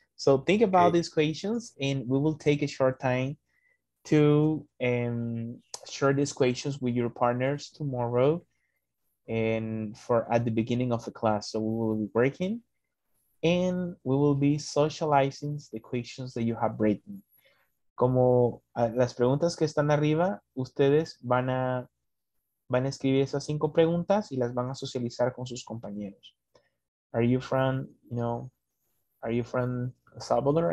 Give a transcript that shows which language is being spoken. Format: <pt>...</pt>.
<en>So think about these questions, and we will take a short time to share these questions with your partners tomorrow and for at the beginning of the class. So we will be working and we will be socializing the questions that you have written.</en> <es>Como las preguntas que están arriba, ustedes van a escribir esas 5 preguntas y las van a socializar con sus compañeros.</es> <en>Are you from, you know, are you from Salvador?</en>